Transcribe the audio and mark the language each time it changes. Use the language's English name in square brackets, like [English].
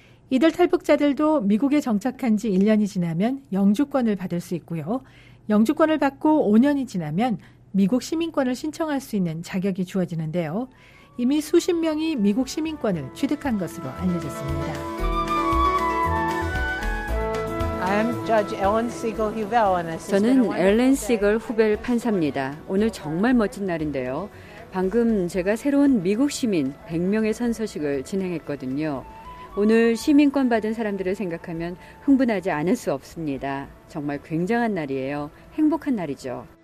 [Korean] 이들 탈북자들도 미국에 정착한 지 1년이 지나면 영주권을 받을 수 있고요. 영주권을 받고 5년이 지나면 미국 시민권을 신청할 수 있는 자격이 주어지는데요. 이미 수십 명이 미국 시민권을 취득한 것으로 알려졌습니다. [English] I'm Judge Ellen Siegel Huvel, and this is [Korean] 저는 엘렌 시걸 후벨 판사입니다. 오늘 정말 멋진 날인데요. 방금 제가 새로운 미국 시민 100명의 선서식을 진행했거든요. 오늘 시민권 받은 사람들을 생각하면 흥분하지 않을 수 없습니다. 정말 굉장한 날이에요. 행복한 날이죠.